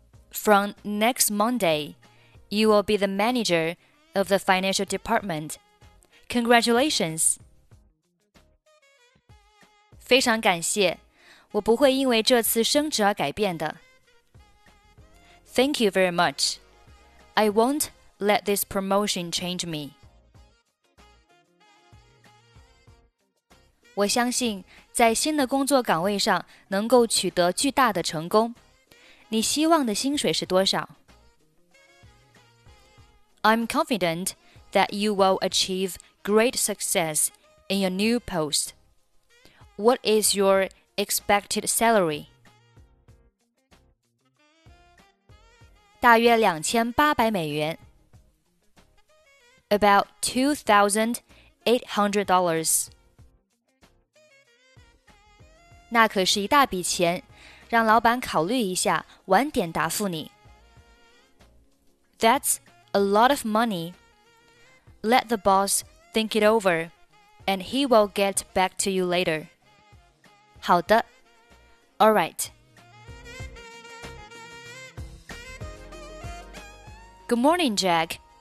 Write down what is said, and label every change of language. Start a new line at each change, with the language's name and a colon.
English: From next Monday, you will be the manager of the financial department. Congratulations!
Chinese: 非常感谢，我不会因为这次升职而改变的。
English: Thank you very much. I won't let this promotion change me.
Chinese: 我相信在新的工作岗位上能够取得巨大的成功。你希望的薪水是多少?
English: I'm confident that you will achieve great success in your new post. What is your expected salary?
Chinese: 大约$2,800.
English: About $2,800.
Chinese: 那可是一大笔钱，让老板考虑一下，晚点答复你。
English: That's a lot of money. Let the boss think it over, and he will get back to you later.
Chinese: 好的。
English: All right. Good morning, Jack.